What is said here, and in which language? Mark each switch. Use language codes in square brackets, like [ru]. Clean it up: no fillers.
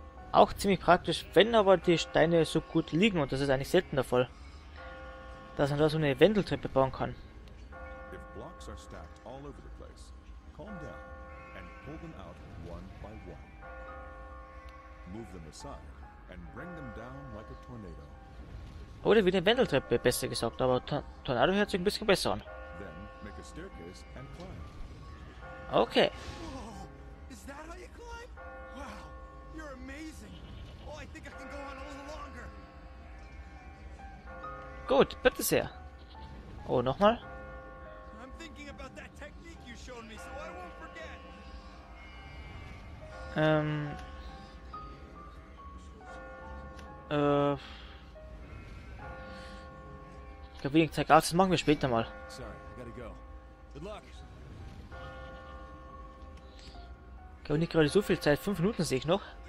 [de] Auch ziemlich praktisch, wenn aber die Steine so gut liegen, und das ist eigentlich selten der Fall, dass man da so eine Wendeltreppe bauen kann. [en] If blocks are stacked all over the place, calm down and pull them out. One by one. Move them aside and bring them down like a tornado. [de] Oder wie eine Wendeltreppe, besser gesagt, aber Tornado hört sich ein bisschen besser an. [en] Then make a staircase and climb. Okay. Oh, is that how you climb? Wow, you're amazing. Oh, I think I can go on a little longer. [de] Gut, bitte sehr. Oh, nochmal. [en] I'm thinking about that technique you showed me, so I won't forget. [de] Ich glaube, wenig Zeit. Ach, das machen wir später mal. [en] Sorry, gotta go. Good luck. [de] Ich habe nicht gerade so viel Zeit, 5 Minuten sehe ich noch.